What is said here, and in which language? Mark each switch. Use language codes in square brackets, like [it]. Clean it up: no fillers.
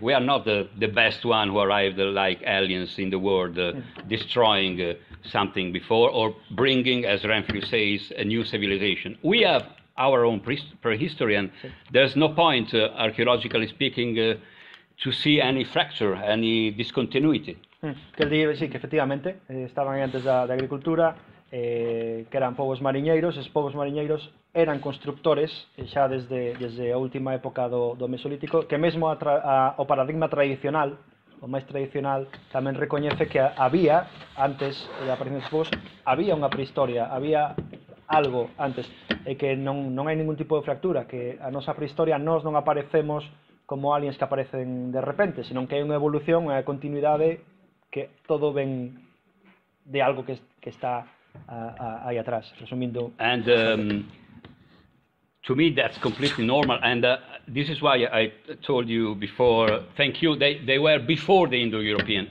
[en] We are not the best one who arrived like aliens in the world, destroying something before or bringing, as Renfrew says, a new civilization. We have our own prehistory, and there's no point, archaeologically speaking, to see any fracture, any discontinuity. [gl] Que dice, sí, que efectivamente estaban antes de agricultura, que eran povos mariñeiros, esos povos mariñeiros eran constructores xa desde a última época do Mesolítico, que mesmo o paradigma tradicional, o máis tradicional, tamén recoñece que había, antes da aparición dos povos, había unha prehistoria, había algo antes, e que non hai ningún tipo de fractura, que a nosa prehistoria nos non aparecemos como aliens que aparecen de repente, senón que hai unha evolución, unha continuidade, que todo ven de algo que está aí atrás, resumindo. [en] And to me that's completely normal, and this is why I told you before, thank you, they were before the Indo-European.